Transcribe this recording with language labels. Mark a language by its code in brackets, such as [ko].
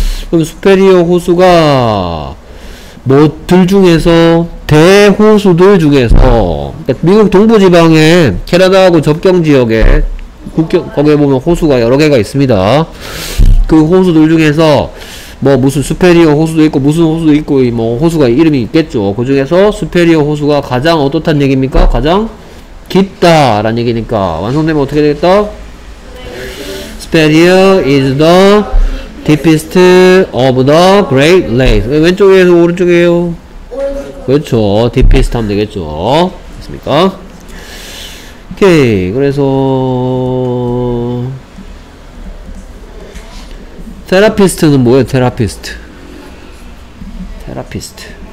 [ko] 그럼 Superior 호수가 뭐들 중에서 대호수들 중에서 미국 동부지방에 캐나다하고 접경지역에 국경 거기에 보면 호수가 여러개가 있습니다. 그 호수들 중에서 뭐 무슨 슈페리어 호수도 있고 무슨 호수도 있고 뭐 호수가 이름이 있겠죠. 그 중에서 슈페리어 호수가 가장 어떻단 얘기입니까? 가장 깊다 라는 얘기니까 완성되면 어떻게 되겠다? [en] Superior is the deepest of the Great Lakes. [ko] 왼쪽에서 오른쪽이에요? 그렇죠. deepest 하면 되겠죠. 됐습니까? 오케이. 그래서 테라피스트는 뭐예요? 테라피스트. 테라피스트.